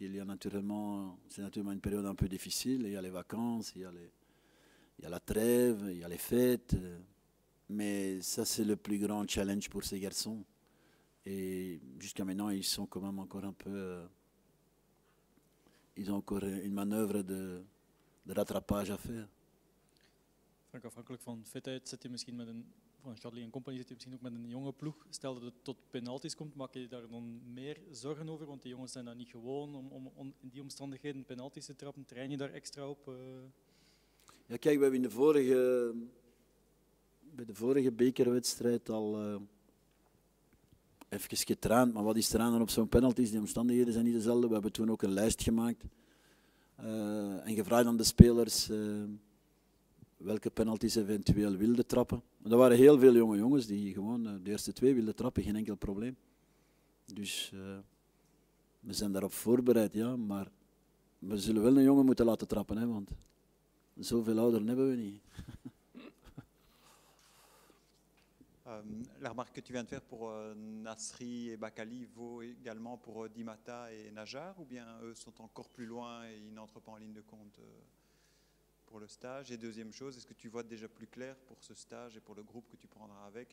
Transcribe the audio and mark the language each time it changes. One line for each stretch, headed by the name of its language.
French: Il y a naturellement, c'est naturellement une période un peu difficile. Il y a les vacances, il y a la trêve, il y a les fêtes. Mais ça, c'est le plus grand challenge pour ces garçons. Et jusqu'à maintenant, ils sont quand même encore un peu... ils ont encore une manœuvre de rattrapage à faire.
Dutch: Frank, afhankelijk van fitheid, zit je misschien met een... Van Shadley en Compagnie zit je misschien ook met een jonge ploeg. Stel dat het tot penalties komt, maak je daar dan meer zorgen over? Want de jongens zijn dat niet gewoon om in die omstandigheden penalties te trappen. Train je daar extra op? Ja, kijk, we hebben bij de vorige bekerwedstrijd al even getraind. Maar wat is er aan dan op zo'n penalties? Die omstandigheden zijn niet dezelfde. We hebben toen ook een lijst gemaakt en gevraagd aan de spelers welke penalties eventueel wilden trappen. Er waren heel veel jonge jongens die gewoon de eerste twee wilden trappen, geen enkel probleem. Dus we zijn daarop voorbereid, ja, maar we zullen wel een jongen moeten laten trappen, hè, want zoveel ouderen hebben we niet.
French: La remarque que tu viens de faire pour Nasri et Bakali vaut également pour Dimata et Najjar, ou bien eux sont encore plus loin et ils n'entrent pas en ligne de compte pour le stage? Et deuxième chose, est-ce que tu vois déjà plus clair pour ce stage et pour le groupe que tu prendras avec?